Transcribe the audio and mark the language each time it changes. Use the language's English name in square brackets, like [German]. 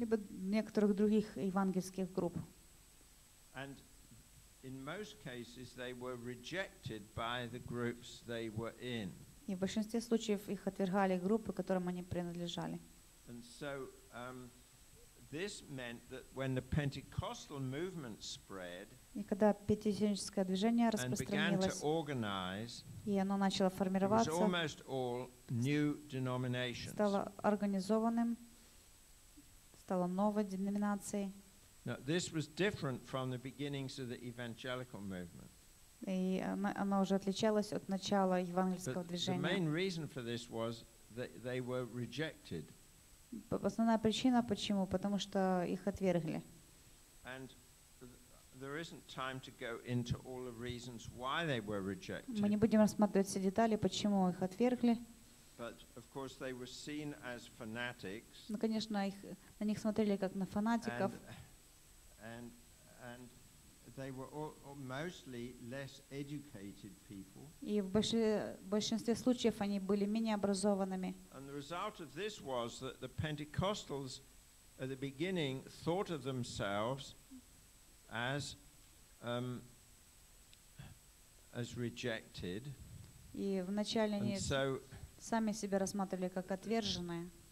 [Russian] Либо некоторых других евангельских групп. [English] And in most cases they were rejected by the groups they were in. [Russian] И в большинстве случаев их отвергали группы, которым они принадлежали. [English] And so this meant that when the Pentecostal movement spread, [Russian] и когда пятидесятническое движение распространилось, и оно начало формироваться, стало организованным, стало новой деноминацией. [English] Now, this was different from the beginnings of the evangelical movement. [Russian] И оно уже отличалось от начала евангельского движения. [English] The main reason for this was that they were rejected. [Russian] Основная причина почему? Потому что их отвергли. [English] And there isn't time to go into all the reasons why they were rejected. [Russian] Мы не будем рассматривать все детали, почему их отвергли. [English] But of course they were seen as fanatics. [Russian] Ну, конечно, на них смотрели как на фанатиков. [English] And they were all mostly less educated people. [Russian] И в большинстве случаев они были менее образованными. [English] And the result of this was that the Pentecostals at the beginning thought of themselves as rejected. [Russian] И вначале они сами себя рассматривали как отверженные.